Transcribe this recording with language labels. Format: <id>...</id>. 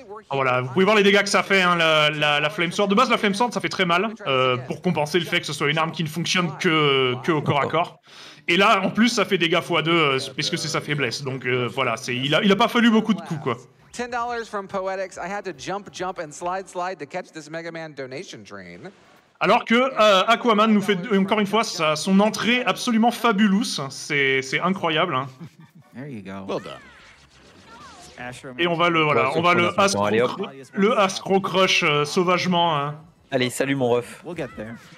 <fr>Voilà, vous pouvez voir les dégâts que ça fait, hein, la Flame Sword. De base, la Flame Sword, ça fait très mal, pour compenser le fait que ce soit une arme qui ne fonctionne que au corps à corps. Et là, en plus, ça fait dégâts x2, parce que c'est sa faiblesse. Donc voilà, il a pas fallu beaucoup de coups, quoi.</fr> <en>$10 from Poetics. I had to jump and slide to catch this Mega Man donation train.</en> <fr>Alors que Aquaman nous fait encore une fois son entrée absolument fabuleuse, c'est incroyable. Hein.</fr> <en>There you go. Well done.</en> <fr>Et on va le voilà, ouais, on va le Ascro crush sauvagement. Hein. Allez, salut mon ref.</fr> <en>We'll get there.</en>